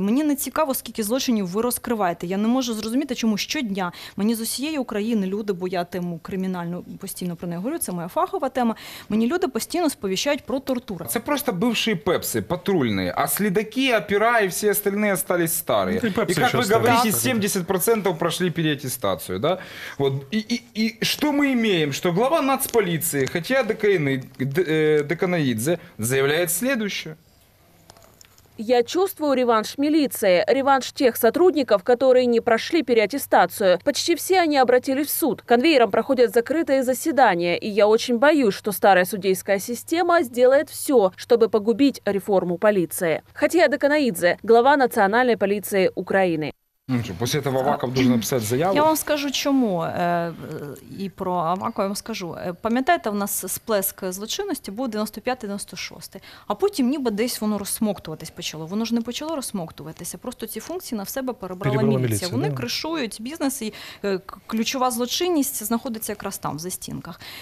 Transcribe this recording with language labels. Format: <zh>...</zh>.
<uk>Мені не цікаво, скільки злочинів ви розкриваєте. Я не можу зрозуміти, чому щодня мені з усієї України люди, бо я тему кримінальну постійно про неї говорю, це моя фахова тема, мені люди постійно сповіщають про тортури. Це просто бивші пепси, патрульні, а слідаки, опера і всі остальні</uk> <ru>остались старые. И как вы говорите, 70% прошли переаттестацию. Да? Вот. И что мы имеем? Что глава нацполиции, хотя Деканаидзе, заявляет следующее. Я чувствую реванш милиции, реванш тех сотрудников, которые не прошли переаттестацию. Почти все они обратились в суд. Конвейером проходят закрытые заседания, и я очень боюсь, что старая судейская система сделает все, чтобы погубить реформу полиции. Хотя Деканаидзе, глава национальной полиции Украины. После этого Аваков должен написать заяву.</ru> <uk>Я вам скажу, чому. І про Авакова я вам скажу. Пам'ятаєте, в нас сплеск злочинності був 95-96. А потім ніби десь воно розсмоктуватись почало. Воно ж не почало розсмоктуватися. Просто ці функції на себе перебрала міліція. Вони кришують бізнес, і ключова злочинність знаходиться якраз там, в застінках.</uk>